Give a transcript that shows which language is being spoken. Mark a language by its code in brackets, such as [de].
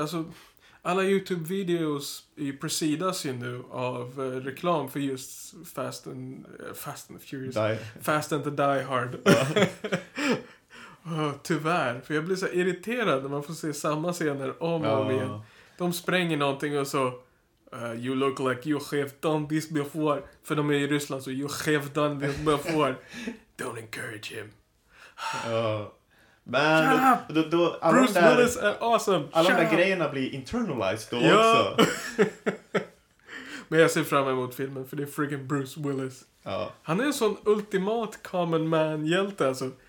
[sv] Alltså, alla YouTube-videos presidas ju nu av reklam för just Fast and Furious. [en] Die. Fast and the Die Hard. [sv] tyvärr, för jag blir så irriterad när man får se samma scener om och om igen. De spränger någonting och så... [en] you look like you have done this before. [sv] För de är i Ryssland, så [en] you have done this before. Don't encourage him. [sv] Men Bruce Willis är awesome. Alla de där grejerna blir internalized då också. Men jag ser fram emot filmen, för det är freaking Bruce Willis. Han är en sån ultimat common man-hjälte. Alltså.